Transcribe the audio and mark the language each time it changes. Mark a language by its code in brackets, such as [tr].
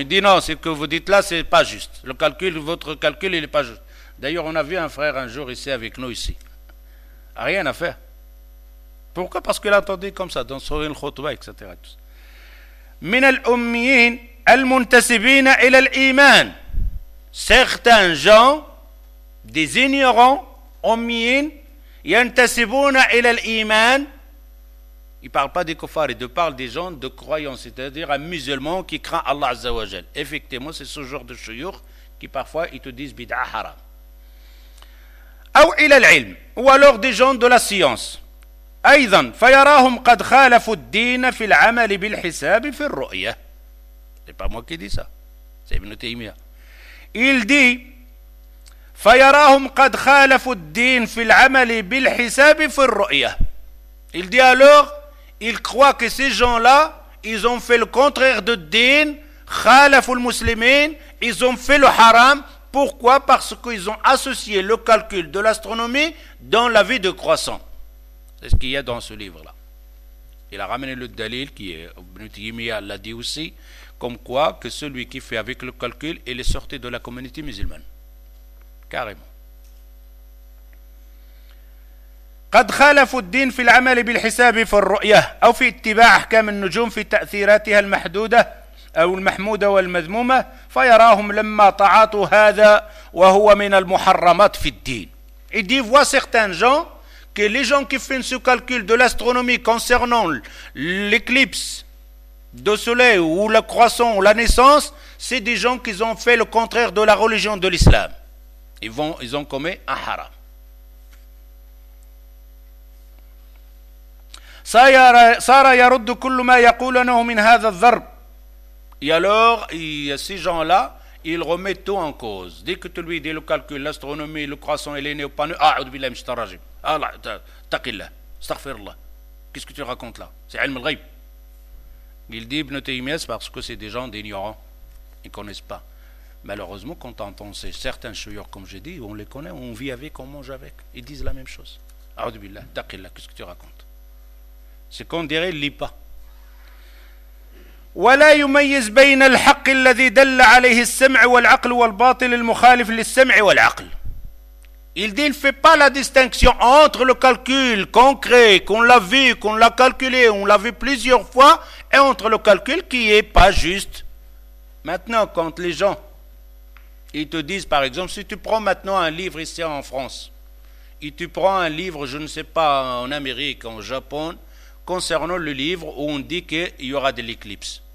[fr] Il dit non, ce que vous dites là c'est pas juste. Le calcul, votre calcul, il est pas juste. D'ailleurs, on a vu un frère un jour ici avec nous ici. Rien à faire. Pourquoi? Parce qu'il attendait comme ça dans son khutba, etc. [ar] من الأميين المنتسبين إلى الإيمان. [fr] Certains gens, des ignorants, [ar] أميين, ينتسبون إلى الإيمان. [fr] Il ne parle pas des kuffars, il parle des gens de croyance, c'est-à-dire un musulman qui craint Allah Azza wa Jal. Effectivement, c'est ce genre de chouyour qui parfois ils te disent bid'a haram. [ar] أو إلى العلم. [fr] Ou alors des gens de la science. [ar] أيضا فيراهم قد خالفوا الدين في العمل بالحساب في الرؤية. [fr] C'est pas moi qui dis ça, c'est Ibn Taymiyyah. Il dit [ar] فيراهم قد خالفوا الدين في العمل بالحساب في الرؤية. [fr] Il dit alors, il croit que ces gens-là, ils ont fait le contraire de الدين, [ar] خالفوا المسلمين, [fr] ils ont fait le haram. Pourquoi? Parce qu'ils ont associé le calcul de l'astronomie dans la vie de croissant. C'est ce qu'il y a dans ce livre-là. Il a ramené le dalil qui est, Ibn Taymiyyah l'a dit aussi, comme quoi que celui qui fait avec le calcul, il est sorti de la communauté musulmane. Carrément. [ar] قد خالفوا الدين في العمل بالحساب في الرؤية أو في اتباع أحكام النجوم في تأثيراتها المحدودة أو المحمودة والمذمومة فيراهم لما طعاتوا هذا وهو من المحرمات في الدين. [fr] Il dit, voit certains gens que les gens qui font ce calcul de l'astronomie concernant l'éclipse de soleil ou la croissance ou la naissance, c'est des gens qui ont fait le contraire de la religion de l'islam. Ils ont commis un haram. [ar] Sara yarud kull ma yaqulunahu min hadha adh-dharb. [fr] Et alors, ces gens-là, ils remettent tout en cause. Dès que tu lui dis le calcul, l'astronomie, le croissant, il est né ou pas né, [ar] a'oud billahi min ash-shaytanir rajim. [fr] Allah, taqillah, astaghfirullah. Qu'est-ce que tu racontes là? C'est ilm al-ghayb. Il dit Ibn Taymiyyah, c'est parce que c'est des gens d'ignorants. Ils ne connaissent pas. Malheureusement, quand on entend ces certains chouyurs, comme j'ai dit, on les connaît, on vit avec, on mange avec. Ils disent la même chose. A'oud billah, taqillah, qu'est-ce que tu racontes? C'est qu'on dirait, il ne lit pas. [ar] ولا يميز بين الحق الذي دل عليه السمع والعقل والباطل المخالف للسمع والعقل. [fr] Il dit, il ne fait pas la distinction entre le calcul concret qu'on l'a vu, qu'on l'a calculé, on l'a vu plusieurs fois, et entre le calcul qui n'est pas juste. Maintenant, quand les gens, ils te disent, par exemple, si tu prends maintenant un livre ici en France, et tu prends un livre, je ne sais pas, en Amérique, en Japon, concernant le livre où on dit qu'il y aura de l'éclipse.